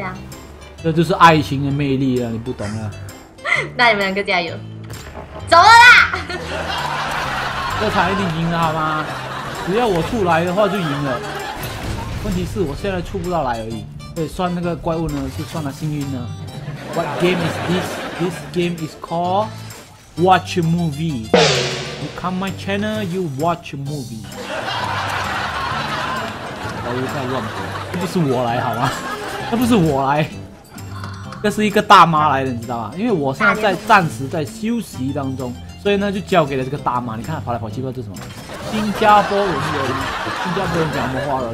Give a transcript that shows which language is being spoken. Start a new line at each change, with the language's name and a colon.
Chinese: 样？这就是爱情的魅力了，你不懂啊？那你们两个加油，走了啦！这场一定赢了好吗？只要我出来的话就赢了。问题是我现在出不到来而已。所以算那个怪物呢，是算了幸运呢。
English: What game is this? This game is called Watch a Movie. You come my channel, you watch a movie.
Chinese: 我又在乱说，那不是我来好吗？那不是我来，这是一个大妈来的，你知道吧？因为我现在暂时在休息当中，所以呢就交给了这个大妈。你看她跑来跑去，不知道这是什么。新加坡人有，新加坡人讲什么话了？